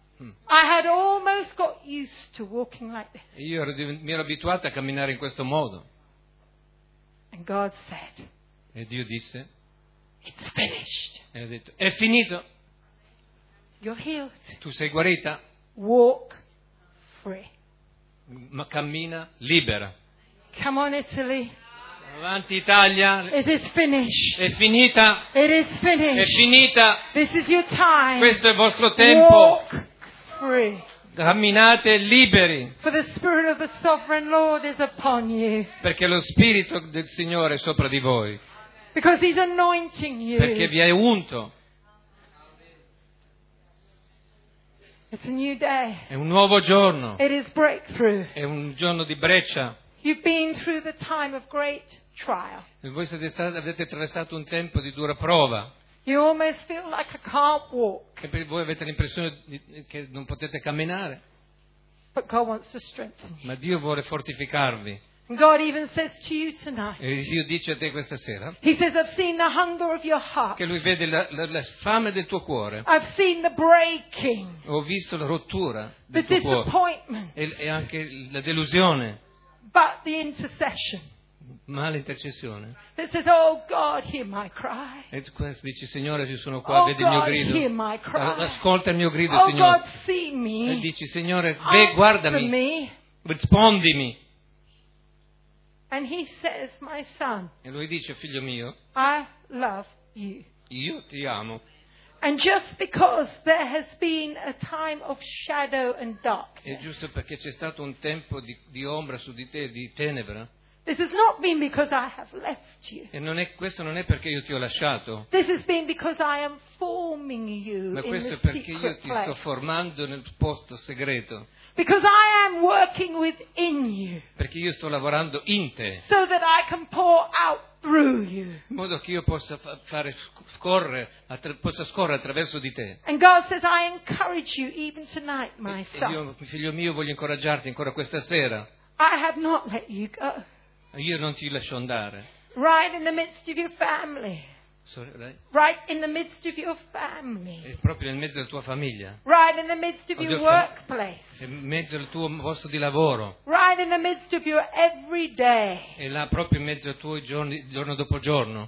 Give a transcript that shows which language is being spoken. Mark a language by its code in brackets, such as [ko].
[en] I had almost got used to walking like this. [it] E io mi ero abituata a camminare in questo modo. [en] And God said. [it] E Dio disse. [en] It's finished. [it] E ha detto è finito. [en] You're healed. [it] Tu sei guarita. [en] Walk free. [it] Ma cammina libera. [en] Come on, Italy. [it] Avanti Italia. [en] It is finished. [it] È finita. [en] It is finished. [it] È finita. [en] This is your time. [it] Questo è il vostro tempo. [en] Walk free. [it] Camminate liberi. [en] For the spirit of the sovereign Lord is upon you. [it] Perché lo spirito del Signore è sopra di voi. [en] Because he's anointing you. [it] Perché vi ha unto. [en] It's a new day. [it] È un nuovo giorno. [en] It is breakthrough. [it] È un giorno di breccia. [en] You've been through the time of great trial. [it] Voi avete attraversato un tempo di dura prova. [en] You almost feel like I can't walk. [it] E voi avete l'impressione che non potete camminare. [en] But God wants to strengthen you. [it] Ma Dio vuole fortificarvi. [en] God even says to you tonight. [it] E Dio dice a te questa sera. [en] He says, I've seen the hunger of your heart. [it] Che lui vede la fame del tuo cuore. [en] I've seen the breaking. [it] Ho visto la rottura del tuo cuore. [en] The disappointment. [it] E anche la delusione. [en] But the intercession. [it] Ma l'intercessione. [en] It says, oh God, hear my cry. [it] E questo dice, Signore, io sono qua, oh vedi il mio grido. [en] Hear my cry. [it] Ascolta il mio grido, oh Signore. [en] God, see me. [it] E dice, Signore, beh, guardami. [en] Me. [it] Rispondimi. [en] And he says, my son. [it] E lui dice, figlio mio. [en] I love you. [it] Io ti amo. [en] And just because there has been a time of shadow and darkness. [it] E giusto perché c'è stato un tempo di ombra su di te, di tenebra. [en] This has not been because I have left you. [it] E non è, questo non è perché io ti ho lasciato. [en] This has been because I am forming you. [it] Ma questo è perché io ti sto formando nel posto segreto. [en] Because I am working within you. [it] Perché io sto lavorando in te. [en] So that I can pour out through you. [it] In modo che io possa fare scorrere attraverso di te. [en] And God says, I encourage you even tonight, my son. [it] E io, figlio mio, voglio incoraggiarti ancora questa sera. [en] I have not let you go. [it] Io non ti lascio andare. [en] Right in the midst of your family. Sorry, right in the midst of your family. [it] È proprio nel mezzo della tua famiglia. [en] Right in the midst of your workplace. [it] In mezzo al tuo posto di lavoro. [en] Right in the midst of your every day. [it] E là proprio in mezzo ai tuoi giorni, giorno dopo giorno.